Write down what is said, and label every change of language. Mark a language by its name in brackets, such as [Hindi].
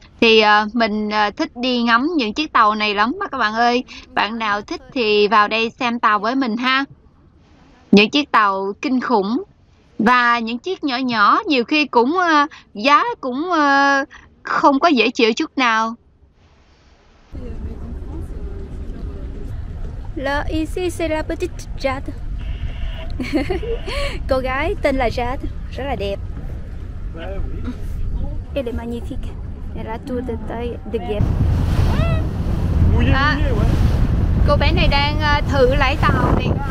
[Vietnamese] Thì mình thích đi ngắm những chiếc tàu này lắm đó các bạn ơi. Bạn nào thích thì vào đây xem tàu với mình ha. Những chiếc tàu kinh khủng, và những chiếc nhỏ nhỏ nhiều khi cũng giá cũng không có dễ chịu chút nào. [French] Là ici c'est la petite Jade. [Vietnamese] Cô gái tên là Jade, rất là đẹp. [French] Elle est magnifique. Elle a tout de taille de guêpe. [Vietnamese] À, cô bé này đang thử lái tàu này.